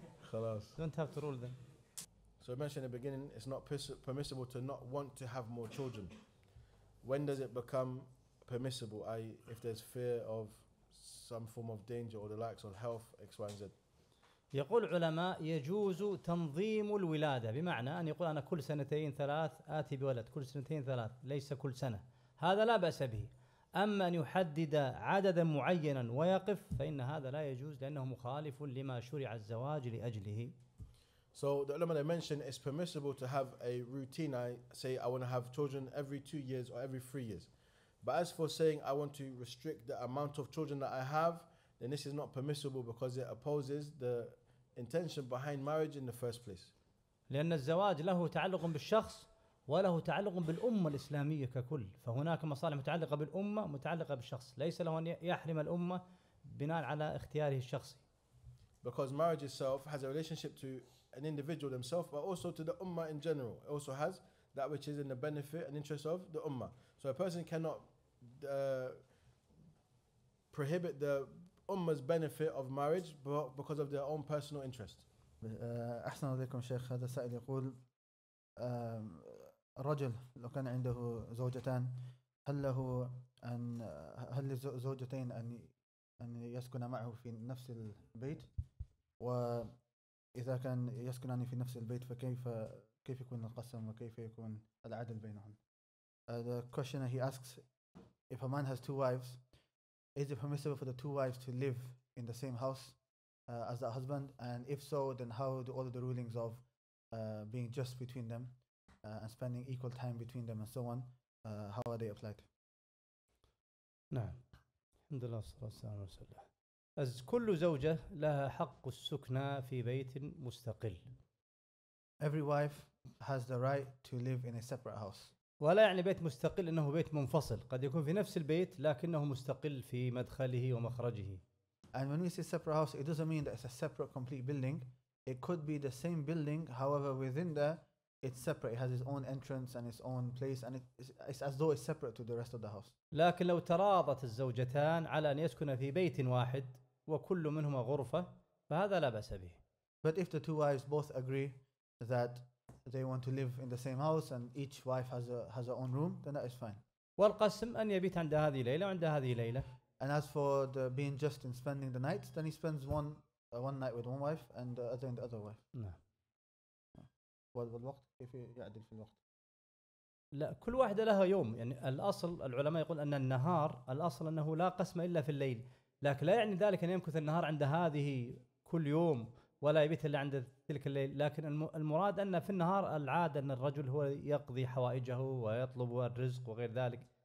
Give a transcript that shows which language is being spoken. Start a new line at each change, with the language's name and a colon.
Arabic: خلاص.
English: Don't have to rule them. So I mentioned in the beginning, it's not permissible to not want to have more children. When does it become permissible? I, if there's fear of some form of danger or the likes of health, X, Y, and Z.
Arabic: يقول علماء يجوز تنظيم الولادة بمعنى أن يقول أنا كل سنتين ثلاث آتي بولد كل سنتين ثلاث ليس كل سنة هذا لا بأس به أما أن يحدد عددا معينا ويقف فإن هذا لا يجوز لأنه مخالف لما شرع الزواج لأجله.
English: So the ulama they mentioned it's permissible to have a routine. I say I want to have children every 2 years or every 3 years. But as for saying I want to restrict the amount of children that I have, then this is not permissible because it opposes the intention behind marriage in the first place.
Arabic: لأن الزواج له تعلق بالشخص وله تعلق بالأمة الإسلامية ككل. فهناك مصالح متعلقة بالأمة متعلقة بالشخص. ليس له أن يحرم الأمة بناء على اختياره الشخصي.
English: Because marriage itself has a relationship to an individual himself, but also to the ummah in general. It also has that which is in the benefit and interest of the ummah. So a person cannot prohibit the ummah's benefit of marriage because of their own personal interest.
Arabic: أحسن عليكم شيخ. هذا سائل يقول الرجل لو كان عنده زوجتان هل له أن هل زوجتين أن يسكن معه في نفس البيت و إذا كان يسكنان في نفس البيت فكيف يكون القسم وكيف يكون العدل بينهم؟
English: The questioner he asks, if a man has two wives, is it permissible for the two wives to live in the same house as the husband? And if so, then how do all of the rulings of being just between them and spending equal time between them and so on, how are they applied?
Arabic: نعم. الحمد لله والصلاة والسلام على رسول الله. كل زوجة لها حق السكنة في بيت مستقل.
English: Every wife has the right to live in a separate house.
Arabic: ولا يعني بيت مستقل إنه بيت منفصل. قد يكون في نفس البيت لكنه مستقل في مدخله ومخرجه.
English: And when we say separate house, it doesn't mean that it's a separate complete building. It could be the same building, however, within the it's separate. It has its own entrance and its own place, and it's as though it's separate to the rest of the house.
Arabic: لكن لو تراضت الزوجتان على أن يسكن في بيت واحد وكل منهما غرفة فهذا لا بأس به.
English: But if the two wives both agree that they want to live in the same house and each wife has her own room, then that is fine.
Arabic: والقسم أن يبيت عند هذه ليلة وعند هذه ليلة.
English: And as for the being just in spending the night, then he spends one night with one wife and the other in the other wife.
Arabic: والوقت كيف يعدل في الوقت؟ لا كل واحدة لها يوم. يعني الأصل العلماء يقول أن النهار الأصل أنه لا قسم إلا في الليل. لكن لا يعني ذلك أن يمكث النهار عند هذه كل يوم ولا يبيت إلا عند تلك الليل. لكن المراد أن في النهار العادة أن الرجل هو يقضي حوائجه ويطلب الرزق وغير ذلك.